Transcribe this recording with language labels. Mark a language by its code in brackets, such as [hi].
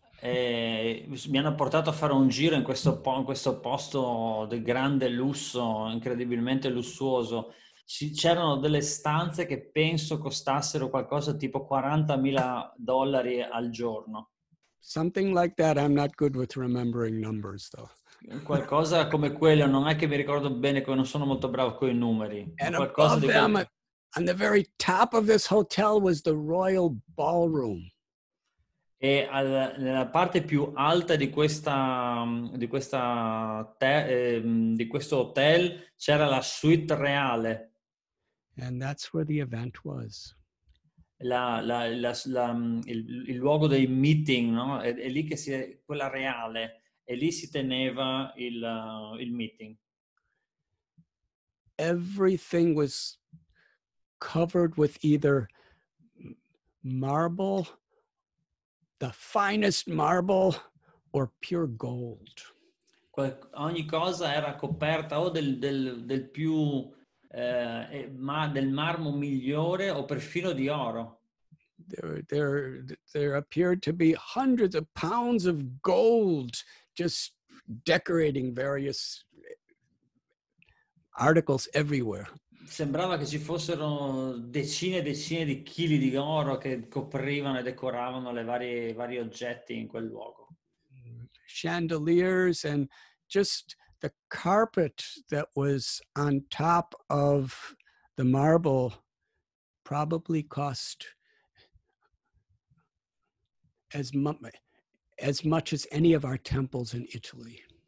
[it] E mi hanno portato a fare un giro in questo posto del grande lusso, incredibilmente lussuoso. C'erano delle stanze che penso costassero qualcosa tipo $40,000 al giorno. [en] Something like that. I'm not good with remembering numbers, though. [it] Qualcosa come quello, non è che mi ricordo bene, non sono molto bravo con i numeri. [en] And above them, on the very top of this hotel, was the royal ballroom. [it] E nella parte più alta di questo hotel c'era la suite reale. [en] And that's where the event was. [it] Il luogo dei meeting, no? È lì che si è quella reale. E lì si teneva il meeting. [en] Everything was covered with either marble, the finest marble, or pure gold. [it] Ogni cosa era coperta o del più ma del marmo migliore o perfino di oro. [en] There appeared to be hundreds of pounds of gold just decorating various articles everywhere. [it] Sembrava che ci fossero decine e decine di chili di oro che coprivano e decoravano le vari oggetti in quel luogo. [en] Chandeliers and just the carpet that was on top of the marble probably cost as much as any of our temples in Italy.